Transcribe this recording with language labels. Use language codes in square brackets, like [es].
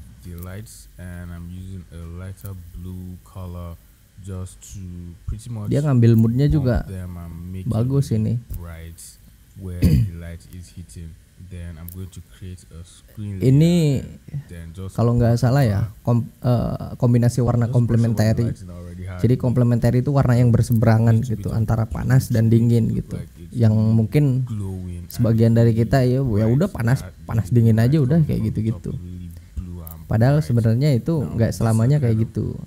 [en] The lights, and I'm using a lighter blue color just to pretty much [id] dia ngambil moodnya juga bagus ini [en] right where the light is hitting. Then I'm going to create a screen [id] ini kalau nggak salah ya kombinasi warna komplementari, jadi komplementari itu warna yang berseberangan gitu antara panas dan dingin gitu, yang mungkin sebagian dari kita ya udah panas panas dingin aja udah kayak gitu-gitu, padahal sebenarnya itu nggak selamanya kayak gitu.